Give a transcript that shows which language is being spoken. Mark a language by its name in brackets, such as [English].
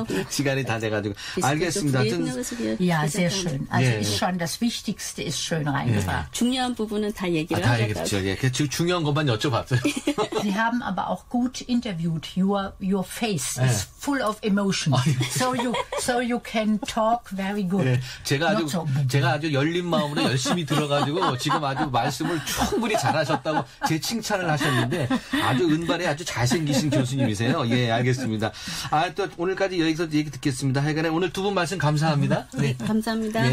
[Korean] 시간이 다 돼가지고 알겠습니다. [German] 야, sehr schön. Also ist schon das Wichtigste ist schön reingebracht. [Korean] 중요한 부분은 다 얘기를 다 얘기했죠. 예, 그 중요한 것만 여쭤봤어요. [German] Sie haben aber auch gut interviewt. [English] Your face is full of emotion. So you can talk very good. [Korean] 제가 아주 열린 마음으로 열심히 들어가지고 지금 아주 말씀을 충분히 잘하셨다고 제 칭찬을 하셨는데 아주 은발에 아주 잘생기신 교수님이세요. 예, 알겠습니다. 아, 또 오늘까지 여기서 얘기 듣겠습니다. 하여간에 오늘 두 분 말씀 감사합니다. 네, 감사합니다.